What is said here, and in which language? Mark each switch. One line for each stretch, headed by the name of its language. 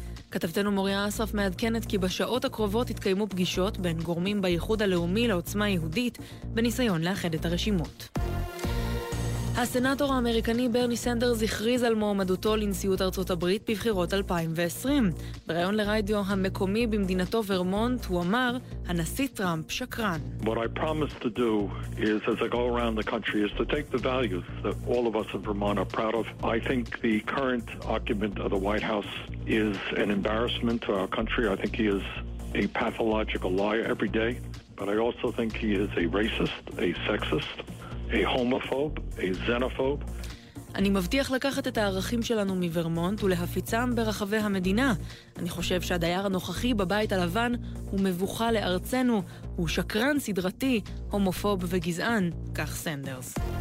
Hebrew: כתבתנו מוריה אסף מעדכנת כי בשעות הקרובות התקיימו פגישות בין גורמים בייחוד הלאומי לעוצמה יהודית בניסיון לאחד את הרשימות. הסנאטור האמריקני ברני סנדרס הכריז על מועמדותו לנשיאות ארצות הברית בבחירות 2020. בריאיון לרדיו המקומי במדינתו ורמונט הוא אמר, הנשיא טראמפ שקרן.
English: What I promise to do is as I go around the country is to take the values that all of us in Vermont are proud of. I think the current occupant of the White House is an embarrassment to our country. I think he is a pathological liar every day, but I also think he is a racist, a sexist. A homophobe, a xenophobe.
Hebrew: אני מבטיח לקחת את הערכים שלנו מוורמונט ולהפיצם ברחבי המדינה. אני חושב שהדייר הנוכחי בבית הלבן הוא מבוכה לארצנו, הוא שקרן סדרתי, הומופוב וגזען, כך סנדרס.